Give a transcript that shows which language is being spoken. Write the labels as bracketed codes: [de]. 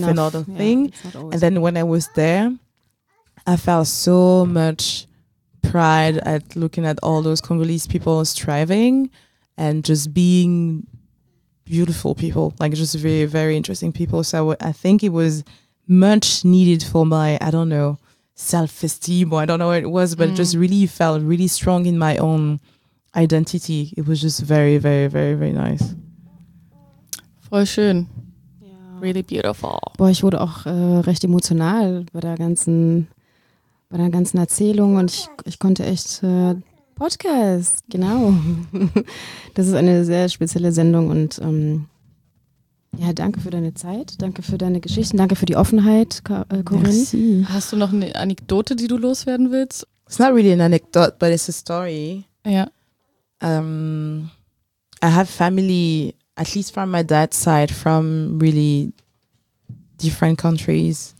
[en] enough and all the thing. And then when I was there, I felt so much pride at looking at all those Congolese people striving and just being beautiful people, like just very, very interesting people. So I think it was much needed for my, I don't know, self-esteem, or I don't know what it was, but it just really felt really strong in my own identity. It was just very, very, very, very nice. [de] Voll schön. [en] Really beautiful. [de] Boah, ich wurde auch recht emotional bei der ganzen Erzählung, und ich konnte echt Podcast, genau. Das ist eine sehr spezielle Sendung, und Ja, danke für deine Zeit, danke für deine Geschichten, danke für die Offenheit, Corinne. [fr] Merci. [de] Hast du noch eine Anekdote, die du loswerden willst? [en] It's not really an anecdote, but it's a story. [de] Ja. [en] I have family, at least from my dad's side, from really different countries.